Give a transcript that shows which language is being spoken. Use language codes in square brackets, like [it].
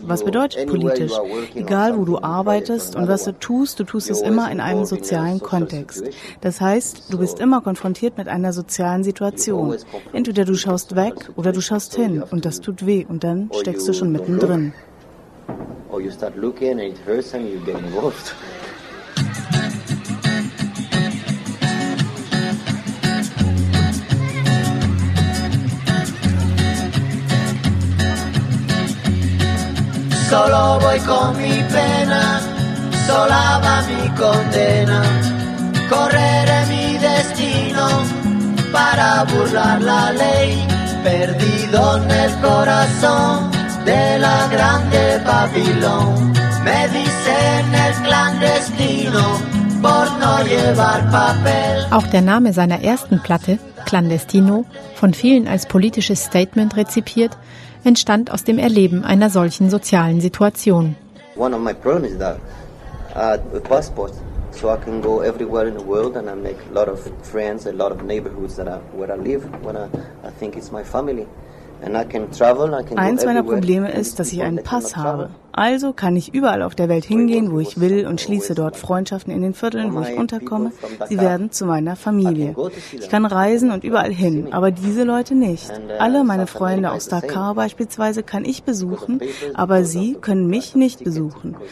[de] Was bedeutet politisch? Egal, wo du arbeitest und was du tust es immer in einem sozialen Kontext. Das heißt, du bist immer konfrontiert mit einer sozialen Situation. Entweder du schaust weg oder du schaust hin und das tut weh und dann steckst du schon mittendrin. [en] Or you start looking and it hurts and you get involved. [es] Solo voy con mi pena, sola va mi condena. correré mi destino para burlar la ley, perdido en el corazón de la grande Babilón. Me dicen el clandestino por no llevar papel. [de] Auch der Name seiner ersten Platte, Clandestino, von vielen als politisches Statement rezipiert, entstand aus dem Erleben einer solchen sozialen Situation. [en] One of my problems is that a passport, so I can go everywhere in the world and I make a lot of friends, a lot of neighborhoods that are where I live, when I think it's my family. And I can travel, I can. [de] Eins meiner Probleme ist, dass ich einen Pass habe. Also kann ich überall auf der Welt hingehen, wo ich will, und schließe dort Freundschaften in den Vierteln, wo ich unterkomme. Sie werden zu meiner Familie. Ich kann reisen und überall hin, aber diese Leute nicht. Alle meine Freunde aus Dakar beispielsweise kann ich besuchen, aber sie können mich nicht besuchen.